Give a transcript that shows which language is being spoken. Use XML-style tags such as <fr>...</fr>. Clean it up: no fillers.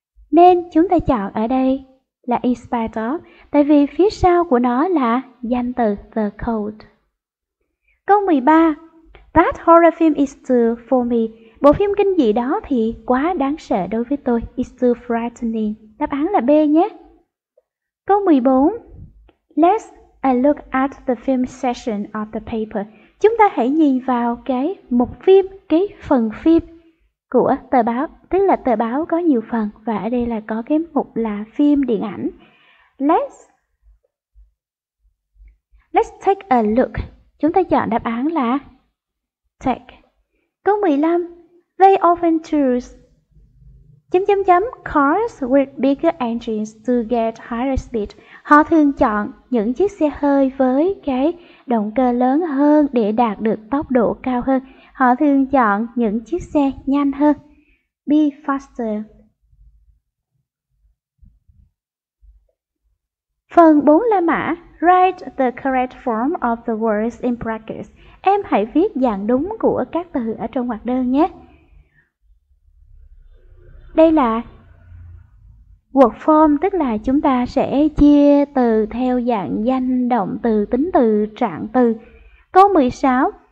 <vi>Nên chúng ta chọn ở đây là</vi> <en>in spite of,</en> <vi>tại vì phía sau của nó là danh từ, the cold. Câu 13.</vi> <en>That horror film is too for me.</en> <vi>Bộ phim kinh dị đó thì quá đáng sợ đối với tôi.</vi> <en>It's too frightening.</en> <vi>Đáp án là B nhé. Câu 14.</vi> <en>Let's a look at the film section of the paper.</en> <vi>Chúng ta hãy nhìn vào cái mục phim, cái phần phim của tờ báo. Tức là tờ báo có nhiều phần và ở đây là có cái mục là phim điện ảnh.</vi> <en>Let's take a look.</en> <vi>Chúng ta chọn đáp án là take. Câu 15.</vi> <en>They often choose cars with bigger engines to get higher speed.</en> <vi>Họ thường chọn những chiếc xe hơi với cái động cơ lớn hơn để đạt được tốc độ cao hơn. Họ thường chọn những chiếc xe nhanh hơn.</vi> <en>Be faster.</en> <vi>Phần 4 là mã.</vi> <en>Write the correct form of the words in brackets.</en> <vi>Em hãy viết dạng đúng của các từ ở trong hoạt đơn nhé. Đây là word form, tức là chúng ta sẽ chia từ theo dạng danh, động từ, tính từ, trạng từ. Câu 16.</vi>